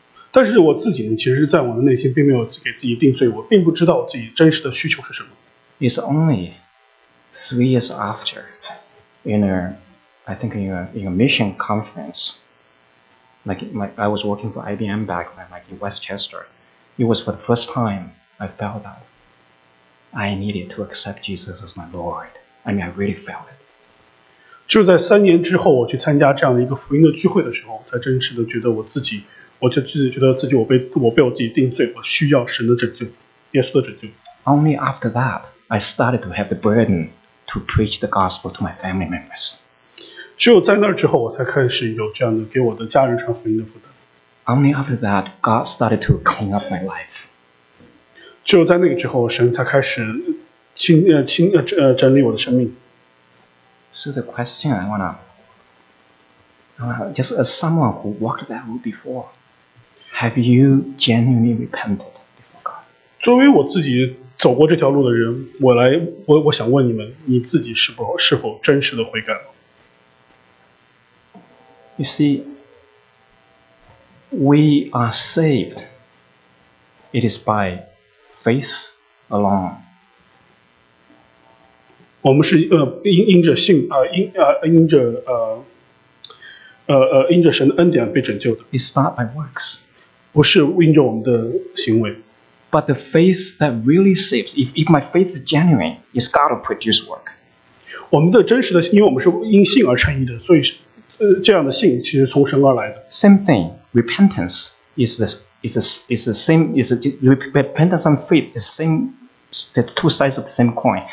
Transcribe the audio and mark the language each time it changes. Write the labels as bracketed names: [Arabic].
[Chinese] 但是我自己呢，其实在我的内心并没有给自己定罪，我并不知道我自己真实的需求是什么。 [English] It's only 3 years after, in a mission conference, like I was working for IBM back then, like in Westchester, it was for the first time I felt that I needed to accept Jesus as my Lord. I mean, I really felt it. [Chinese] 就在三年之后，我去参加这样的一个福音的聚会的时候，才真实的觉得我就觉得自己我被我自己定罪，我需要神的拯救，耶稣的拯救。 [English] Only after that, I started to have the burden to preach the gospel to my family members. [Chinese] 只有在那之后，我才开始有这样的给我的家人传福音的负担。 [English] Only after that, God started to clean up my life. [Chinese] 只有在那个之后，神才开始整理我的生命。 [English] So the question I wanna just as someone who walked that road before, have you genuinely repented before God? [Chinese] 作为我自己走过这条路的人，我想问你们，你自己是否真实的悔改了？ [English] You see, we are saved. It is by faith alone. [Chinese] 我们是因着神的恩典被拯救的。 [English] It's not by works. [Chinese] 不是因着我们的行为。 [English] But the faith that really saves, if my faith is genuine, is God to produce work. [Chinese] 我们的真实的，因为我们是因信而称义的，所以这样的信其实从神而来的。 [English] Same thing, repentance repentance and faith the two sides of the same coin.